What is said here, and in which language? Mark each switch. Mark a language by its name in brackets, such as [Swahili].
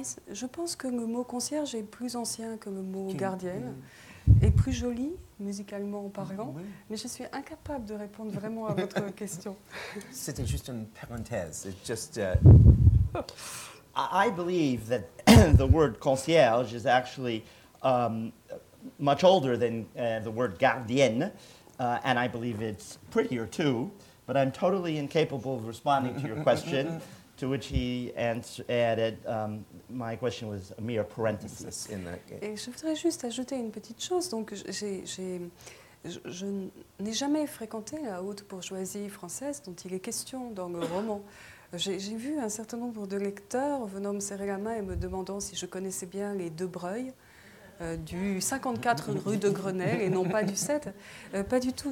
[French] Je pense que le mot concierge est plus ancien que le mot gardienne, et plus joli, musicalement parlant, mais je suis incapable de répondre vraiment à votre question. C'était juste une parenthèse. [English] I believe that the word concierge is actually much older than the word gardienne, and I believe it's prettier too, but I'm totally incapable of responding to your question. To which he added, my question was a mere parenthesis in that game. [French] Et je voudrais juste ajouter une petite chose. Donc, je n'ai jamais fréquenté la haute bourgeoisie française dont il est question dans le roman. J'ai vu un certain nombre de lecteurs venant me serrer la main et me demandant si je connaissais bien les deux Breuil du 54 rue de Grenelle et non pas du 7. Pas du tout.